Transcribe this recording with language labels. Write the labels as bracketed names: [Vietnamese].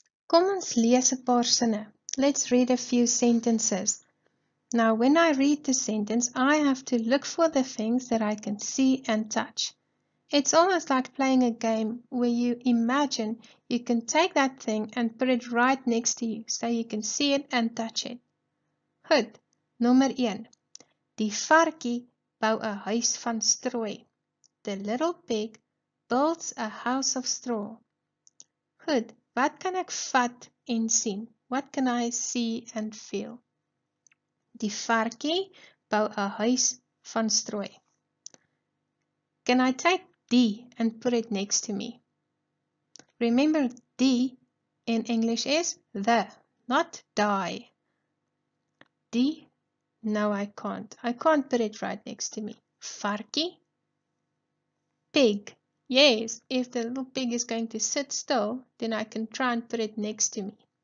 [Afrikaans] Kom ons lees 'n paar sinne. [English] Let's read a few sentences. Now when I read the sentence, I have to look for the things that I can see and touch. It's almost like playing a game where you imagine you can take that thing and put it right next to you so you can see it and touch it. [Afrikaans] Goed, nommer 1. Die varkie bou 'n huis van strooi. [English] The little pig builds a house of straw. [Afrikaans] Goed, wat kan ek vat en sien? [English] What can I see and feel? [Afrikaans] Die varkie bou 'n huis van strooi. [English] Can I take die and put it next to me? Remember, die in English is the, not die. Die, no I can't. I can't put it right next to me. Varkie, pig. Yes, if the little pig is going to sit still, then I can try and put it next to me.